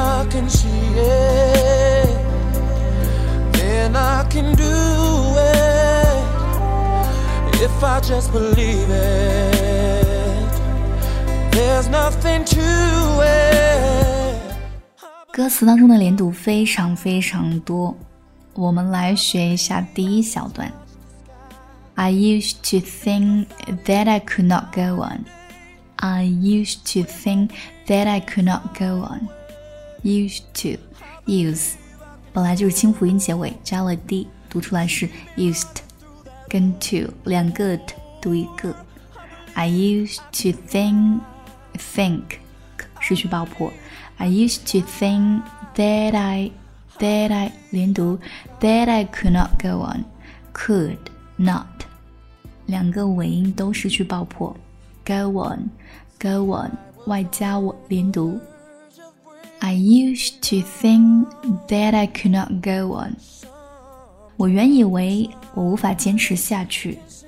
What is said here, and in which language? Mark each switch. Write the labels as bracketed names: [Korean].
[English] Can see it, then I can do it. If I just believe it, there's nothing to it. [Chinese] 歌词当中的连读非常非常多，我们来学一下第一小段。 [English] I used to think that I could not go on. I used to think that I could not go on. Used to, use, [Chinese] 本来就是清辅音结尾，加了 d, 读出来是 [English] used, [Chinese] 跟 to, 两个 t, 读一个。 [English] I used to think, [Chinese] 失去爆破。 [English] I used to think that I, [Chinese] 连读 [English] that I could not go on, could not, [Chinese] 两个尾音都失去爆破。 [English] Go on, [Chinese] 外加我连读。 [English] I used to think that I could not go on. [Chinese] 我原以为我无法坚持下去。